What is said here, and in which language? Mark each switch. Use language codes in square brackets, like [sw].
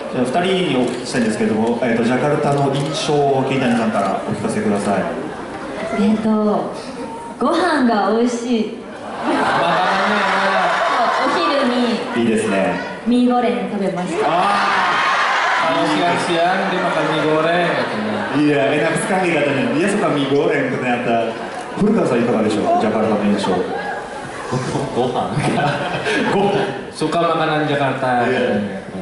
[ja] 2人にお聞きしたいんですけども、ジャカルタの印象を桐谷さんからお聞かせください。ご飯が美味しい。まあ、お昼にいいですね。ミーゴレン食べました。 [id] あー、siang-siang dia makan ミーゴレン。いや、enak sekali katanya。 Dia suka [ja] ミーゴレン。古川さんいかがでしょう、ジャカルタの印象。ご飯ご飯そこはまかなんじゃかった、yeah.